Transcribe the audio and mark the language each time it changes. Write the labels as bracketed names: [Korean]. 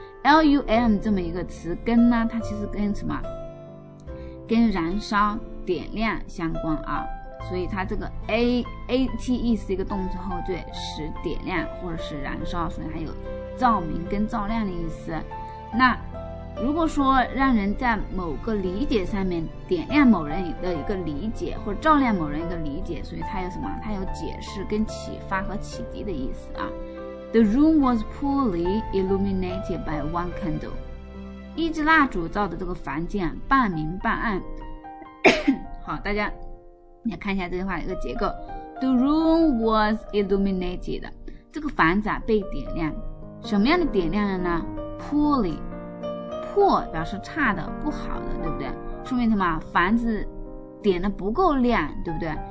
[Chinese] L-U-M 这么一个词根呢，它其实跟什么，跟燃烧点亮相关啊，所以它这个 A-A-T-E 是一个动词后缀，使点亮或者是燃烧，所以它有照明跟照亮的意思。那如果说让人在某个理解上面点亮某人的一个理解，或者照亮某人一个理解，所以它有什么，它有解释跟启发和启迪的意思啊。 [English] The room was poorly illuminated by one candle， [Chinese] 一支蜡烛照的这个房间半明半暗。好，大家你看一下这句话的一个结构。 [English] The room was illuminated， [Chinese] 这个房子、啊、被点亮，什么样的点亮了呢？ Poorly， poor 表示差的不好的，对不对？说明什么，房子点的不够亮，对不对？